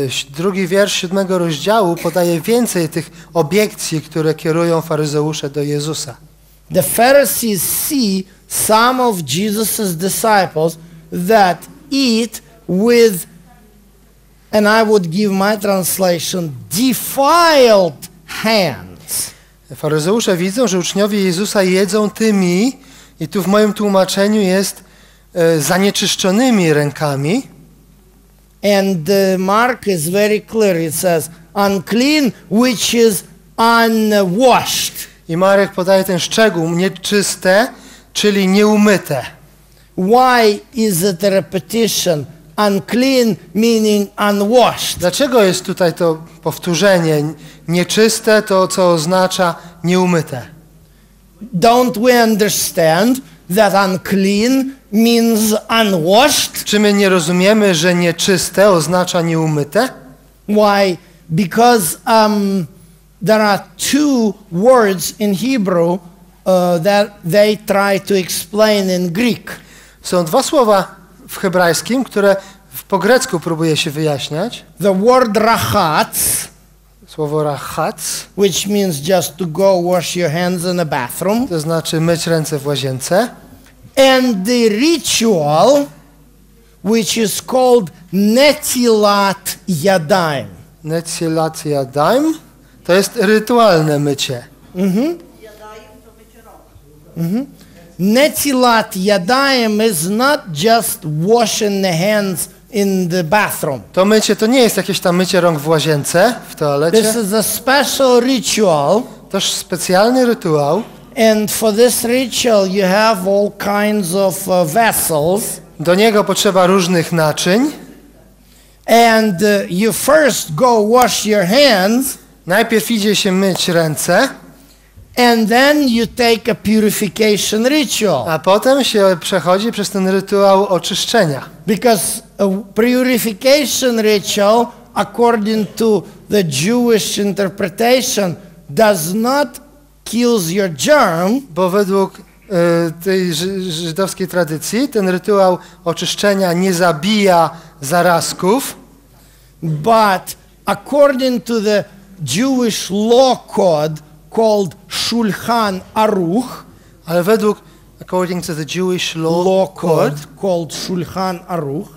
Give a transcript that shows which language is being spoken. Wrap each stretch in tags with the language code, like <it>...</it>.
<pl>Drugi wiersz 7 rozdziału podaje więcej tych obiekcji, które kierują faryzeusze do Jezusa.</pl> <en>The Pharisees see some of Jesus's disciples that eat with, and I would give my translation, defiled hands.</en> <pl>Faryzeusze widzą, że uczniowie Jezusa jedzą tymi, i tu w moim tłumaczeniu jest zanieczyszczonymi rękami.</pl> <en>And Mark is very clear. It says unclean, which is unwashed.</en> <pl>I Marek podaje ten szczegół, nieczyste, czyli nieumyte.</pl> <en>Why is it a repetition? Unclean meaning unwashed.</en> <pl>Dlaczego jest tutaj to powtórzenie? Nieczyste to, co oznacza nieumyte.</pl> <en>Don't we understand that unclean means unwashed?</en> <pl>Czy my nie rozumiemy, że nieczyste oznacza nieumyte?</pl> <en>Why? Because there are two words in Hebrew that they try to explain in Greek.</en> <pl>Są dwa słowa w hebrajskim, które po grecku próbuje się wyjaśniać.</pl> <en>The word rachatz.</en> <pl>Słowo rachatz,</pl> <en>which means just to go wash your hands in the bathroom.</en> <pl>To znaczy myć ręce w łazience.</pl> <en>And the ritual, which is called netilat yadaim.</en> <pl>Netilat yadaim. To jest rytualne mycie. Mm-hmm. Mm-hmm.</pl> <en>Netilat yadaim is not just washing the hands in the bathroom.</en> <pl>To mycie to nie jest jakieś tam mycie rąk w łazience, w toalecie.</pl> <en>This is a special ritual.</en> <pl>Toż specjalny rytuał.</pl> <en>And for this ritual you have all kinds of vessels.</en> <pl>Do niego potrzeba różnych naczyń.</pl> <en>And you first go wash your hands.</en> <pl>Najpierw idzie się myć ręce.</pl> <en>And then you take a purification ritual.</en> <pl>A potem się przechodzi przez ten rytuał oczyszczenia.</pl> <en>Because a purification ritual, according to the Jewish interpretation, does not kill your germ.</en> <pl>Bo według tej żydowskiej tradycji ten rytuał oczyszczenia nie zabija zarazków.</pl> <en>But according to the Jewish law code called Shulchan Aruch,</en> <pl>ale według</pl> <en>according to the Jewish law, law code called Shulchan Aruch</en>